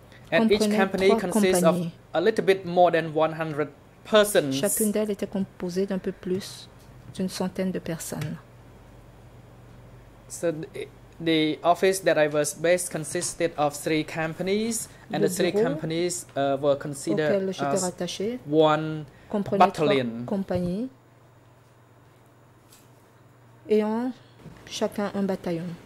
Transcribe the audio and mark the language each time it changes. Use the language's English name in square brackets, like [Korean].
[English] And each company consists of a little bit more than 100 persons. [French] Chacune d'elles était composée d'un peu plus d'une centaine de personnes. [English] So the office that I was based consisted of three companies, and the three companies were considered as [French] rattaché, [English] one battalion. [French] Compagnies ayant chacun un bataillon.